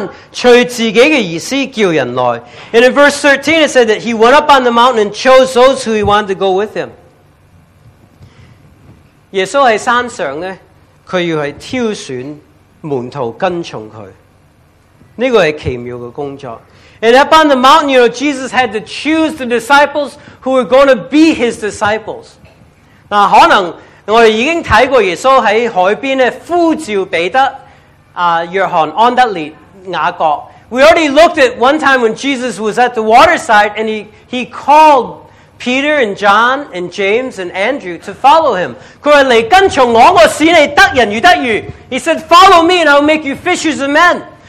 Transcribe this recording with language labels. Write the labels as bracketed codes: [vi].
[zh] 因为13节说耶稣上了山，随自己的意思叫人来。 [en] And in verse 13 it said that he went up on the mountain and chose those who he wanted to go with him. [zh] 耶稣在山上，他要去挑选门徒跟从他。这个是奇妙的工作。 [en] And up on the mountain, you know, Jesus had to choose the disciples who were going to be his disciples. [zh] 那可能我们已经看过耶稣在海边呼召彼得、约翰、安德烈、雅各。 [en] We already looked at one time when Jesus was at the waterside and he called Peter and John and James and Andrew to follow him. [zh] 他说来跟从我，我使你得人如得鱼。 [en] He said, follow me and I'll make you fishers of men.